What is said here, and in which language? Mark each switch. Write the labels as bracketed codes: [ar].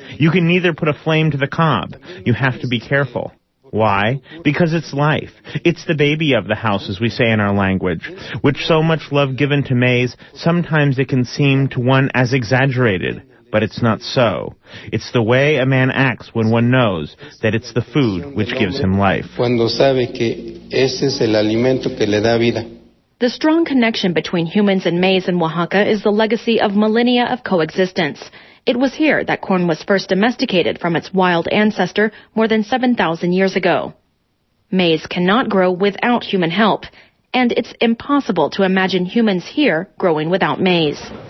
[en] You can neither put a flame to the cob. You have to be careful. Why? Because it's life. It's the baby of the house, as we say in our language. With so much love given to maize, sometimes it can seem to one as exaggerated. But it's not so. It's the way a man acts when one knows that it's the food which gives him life. [es] Cuando sabe que ese es el alimento que le da vida. [en] The strong connection between humans and maize in Oaxaca is the legacy of millennia of coexistence. It was here that corn was first domesticated from its wild ancestor more than 7,000 years ago. Maize cannot grow without human help, and it's impossible to imagine humans here growing without maize.